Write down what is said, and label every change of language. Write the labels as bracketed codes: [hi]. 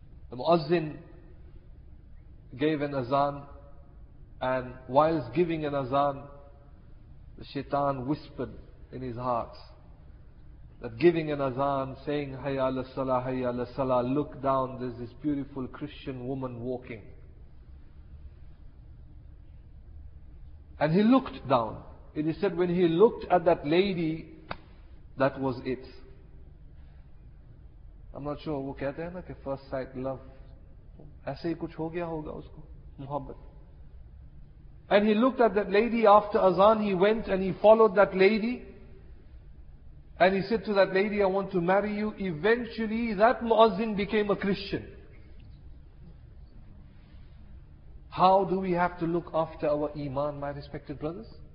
[en] The muazzin gave an azan, and whilst giving an azan, the shaitan whispered in his heart that giving an azan, saying, [ar] Hayya ala salah, hayya ala salah, [en] look down, there's this beautiful Christian woman walking. And he looked down. And he said, when he looked at that lady, that was it. I'm not sure, [ur] وو کہتے ہے نا، کے [en] first sight love. [ur] ایسے ہی کچھ ہو گیا ہوگا اسکو، محبت. [en] And he looked at that lady after azan, he went and he followed that lady. And he said to that lady, I want to marry you. Eventually, that muazzin became a Christian. How do we have to look after our iman, my respected brothers?